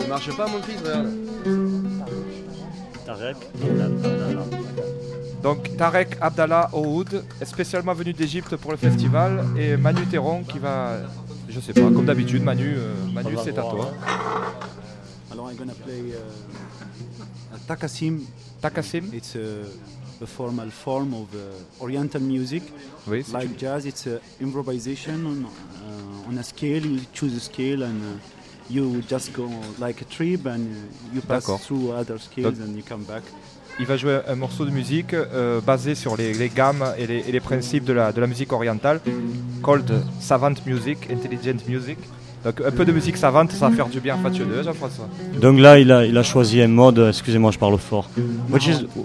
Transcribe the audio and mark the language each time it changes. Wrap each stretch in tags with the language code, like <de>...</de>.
<fr>Il marche pas, mon fils, regarde. Tarek Abdallah. Donc, Tarek Abdallah Ohoud est spécialement venu d'Egypte pour le festival et Manu Théron qui va. Je sais pas, comme d'habitude, Manu c'est à toi.</fr> <en>Alors, I'm gonna play Takassim. Takassim. It's a formal form of Oriental music.</en> <fr>Oui,</fr> <en>like jazz, it's an improvisation on a scale. You choose a scale and you just go like a trip and you pass through other scales.</en> <fr>Donc,</fr> <en>and you come back.</en> <fr>Il va jouer un morceau de musique basé sur les gammes et les principes de la musique orientale,</fr> <en>called savant music, intelligent music.</en> <fr>Donc un peu de musique savante, ça va faire du bien, Mathieu 2, Jean-François. Donc là, il a choisi un mode, excusez-moi, je parle fort.</fr> <en>Which is,</en>